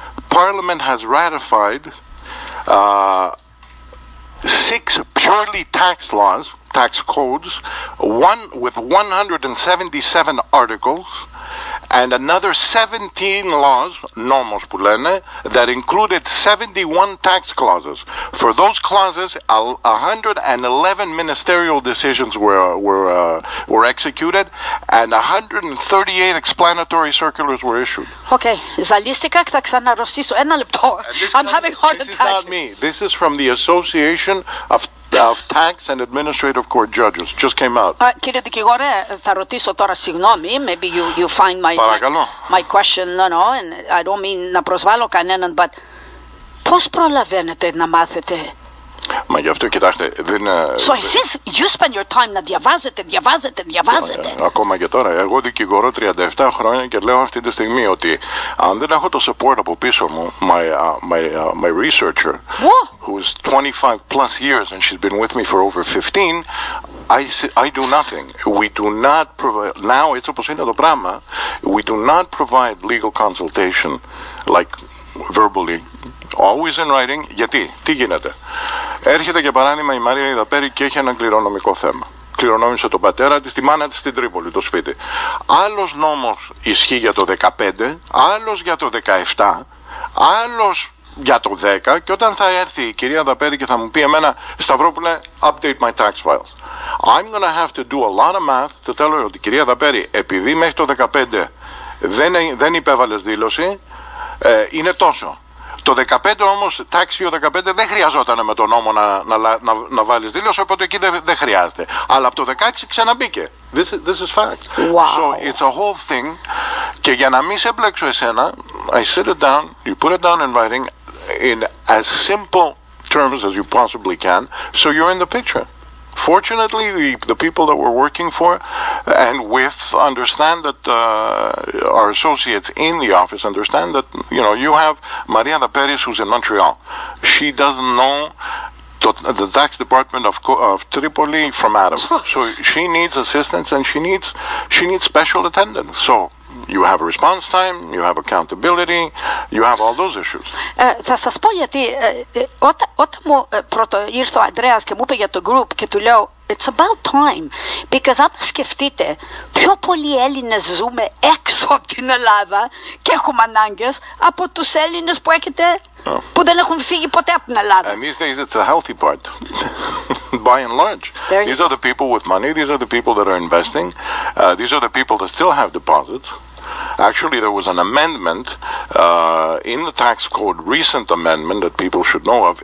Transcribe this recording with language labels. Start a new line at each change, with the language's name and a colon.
English: Parliament has ratified 6 purely tax laws, tax codes, one with 177 articles, and another 17 laws, nomos που λένε, that included 71 tax clauses. For those clauses, 111 ministerial decisions were executed, and 138 explanatory circulars were issued.
Greek: Okay, ζαλίστηκα και θα ξαναρωτήσω ένα λεπτό.
English: I'm having hard attack. This is not me. This is from the Association of Tax and Administrative Court Judges. Just came out.
Greek: Κύριε δικηγόρε, θα ρωτήσω τώρα, συγγνώμη,
English: maybe you find my question, no, and I don't mean
Greek: να προσβάλλω κανέναν, but πώς προλαβαίνετε να μάθετε? Μα γι' αυτό κοιτάξτε, δεν...
English: So since you spend your time
Greek: να διαβάζετε. Ακόμα και τώρα, εγώ δικηγορώ 37 χρόνια και λέω αυτή τη στιγμή ότι αν δεν έχω το support από πίσω μου,
English: my researcher, who's 25 plus years and she's been with me for over 15, I do nothing. We do not provide, now it's
Greek: όπως είναι το πράγμα,
English: we do not provide legal consultation, like verbally, always in writing.
Greek: Γιατί, τι γίνεται? Έρχεται για παράδειγμα η Μαρία Ιδαπέρη και έχει ένα κληρονομικό θέμα. Κληρονόμησε τον πατέρα της, τη μάνα της στην Τρίπολη, το σπίτι. Άλλος νόμος ισχύει για το 15, άλλος για το 17, άλλος για το 10, και όταν θα έρθει η κυρία Ιδαπέρη και θα μου πει εμένα, Σταυρόπουλε,
English: update my tax files. I'm gonna have to do a lot of math to tell her
Greek: ότι κυρία Ιδαπέρη, επειδή μέχρι το 15 δεν υπέβαλες δήλωση, είναι τόσο. Το 15 όμως,
English: tax year 15,
Greek: δεν χρειαζόταν με τον νόμο να βάλεις δήλωση, οπότε εκεί δεν χρειάζεται. Αλλά από το 16 ξαναμπήκε.
English: This is fact. Wow. So it's a whole thing.
Greek: Και για να μην σε μπλέξω εσένα,
English: I sit it down, you put it down in writing in as simple terms as you possibly can, so you're in the picture. Fortunately, the people that we're working for and with understand that our associates in the office understand that, you know, you have Maria Daperis, who's in Montreal. She doesn't know the tax department of Tripoli from Adam. So she needs assistance and she needs special attendance. So you have a response time, you have accountability, you have all those issues.
Greek: Θα σας πω γιατί όταν μου πρώτο ήρθε ο Ανδρέας και μου είπε για το group και του λέω
English: it's about time, because
Greek: άμα σκεφτείτε πιο πολλοί Έλληνες ζούμε έξω από την Ελλάδα και έχουμε ανάγκες από τους Έλληνες που έχετε που δεν έχουν φύγει ποτέ από την Ελλάδα.
English: And these days it's a healthy part. By and large, these are the people with money, these are the people that are investing, these are the people that still have deposits. Actually, there was an amendment in the tax code, recent amendment that people should know of.